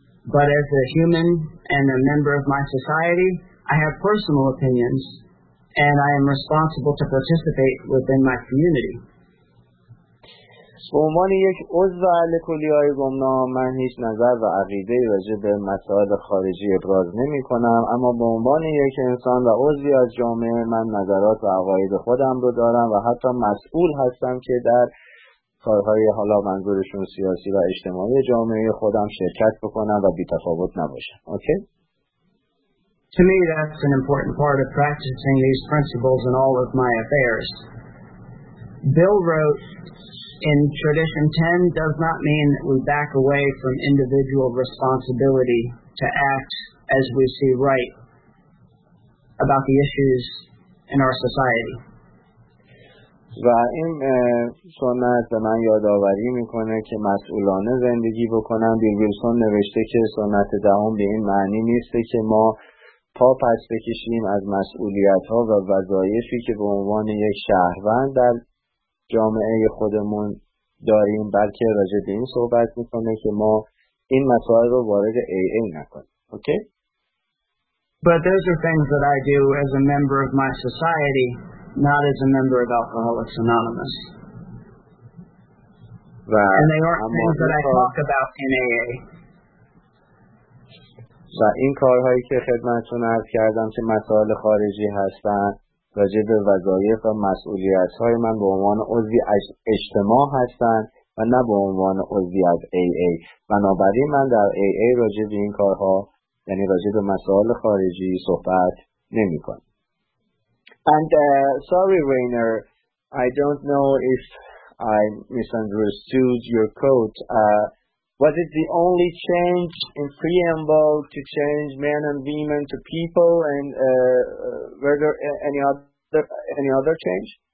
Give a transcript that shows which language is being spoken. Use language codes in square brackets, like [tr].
[en] But as a human and a member of my society, I have personal opinions, and I am responsible to participate within my community. [fa] به عنوان یک عضو الکلی‌های گمنام من هیچ نظر و عقیده‌ای راجع به مسائل خارجی ابراز نمی‌کنم، اما به عنوان یک انسان و عضوی از جامعه من نظرات و عقاید خودم رو دارم و حتی مسئول هستم که در کارهای حالا منظورشون سیاسی و اجتماعی جامعه خودم شرکت بکنم و بی‌تفاوت نباشم. [en] Okay? To me that's an important part of practicing these principles in all of my affairs. Bill wrote In tradition 10 does not mean that we back away from individual responsibility to act as we see right about the issues in our society. [fa] و این سنت به من یادآوری میکنه که مسئولانه زندگی بکنم. بیل ویلسون نوشته که سنت دهم به این معنی نیست که ما پا پس بکشیم از مسئولیت ها و وظایفی که به عنوان یک شهروند در جامعه خودمون داریم، بلکه راجع به این صحبت میکنه که ما این مسائل رو وارد AA نکنیم. [en] Okay? But those are things that I do as a member of my society, not as a member of Alcoholics Anonymous. [fa] و [en] And they aren't things that I talk about in AA. [fa] و این کارهایی که خدمتتون عرض کردم که مسائل خارجی هستن راجع به وظایف و مسئولیت های من به عنوان عضوی اجتماع هستند و نه به عنوان عضوی از AA. بنابراین من در AA راجع به این کارها، یعنی راجع به مسائل خارجی صحبت نمی کنم. [en] And sorry Rainer, I don't know if I misunderstood your quote. Was it the only change in preamble to change men and women to people, and were there any other change?